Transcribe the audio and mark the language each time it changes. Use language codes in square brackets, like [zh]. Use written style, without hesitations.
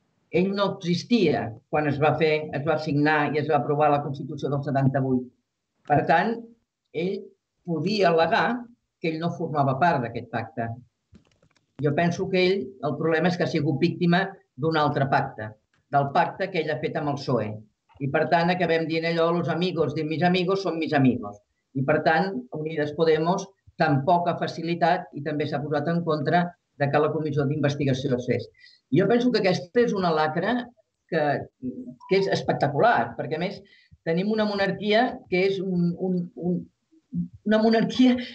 [ca] Ell no existia quan es va signar i es va aprovar la Constitució del 78. Per tant, ell podia al·legar que ell no formava part d'aquest pacte. Jo penso que ell, el problema és que ha sigut víctima d'un altre pacte, del pacte que ell ha fet amb el PSOE. I, per tant, acabem dient allò, [es] los amigos de mis amigos [ca] son mis amigos. I, per tant, Unides Podemos tampoc ha facilitat i també s'ha posat en contra de que la comissió d'investigació es fes. Jo penso que aquesta és una lacra que és espectacular, perquè, a més, tenim una monarquia que és una monarquia...